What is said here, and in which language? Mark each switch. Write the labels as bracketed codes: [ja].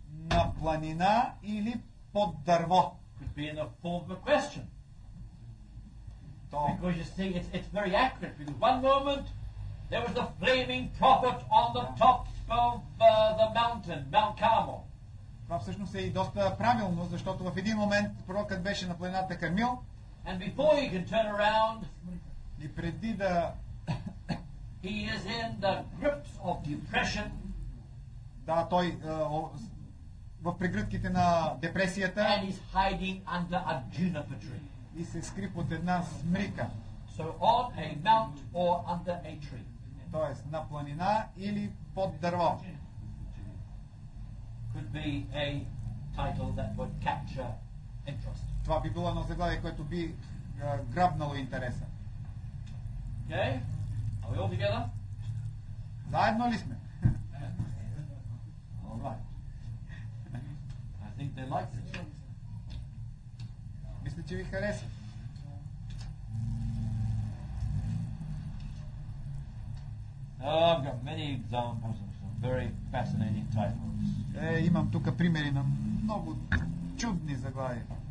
[bg] На планина или под дърво. [en] Could be in the form of a question. Because you see, it's very accurate. Because one moment there was a flaming prophet on the top of the mountain, Mount Carmel. [bg] Това всъщност е и доста правилно, защото в един момент пророкът беше на планината Кармил. [en] And before he can turn around, [bg] и преди да [en] he is in the grips of depression. [bg] Да, той в прегръдките на депресията. [en] And he's hiding under a juniper tree. [bg] И се скри под една смрика. [en] So on a mount or under a tree. [bg] Тоест на планина или под дърво. [en] Could be a title that would capture interest. [bg] Това би било едно заглавие, което би грабнало интереса. [en] Okay? Are we all together? [bg] Заедно ли сме? [en] All right. I think they like it. [bg] Мисля, че ви хареса. [en] I've got many examples of some very fascinating titles. [bg] Имам тук примери на много чудни заглавия.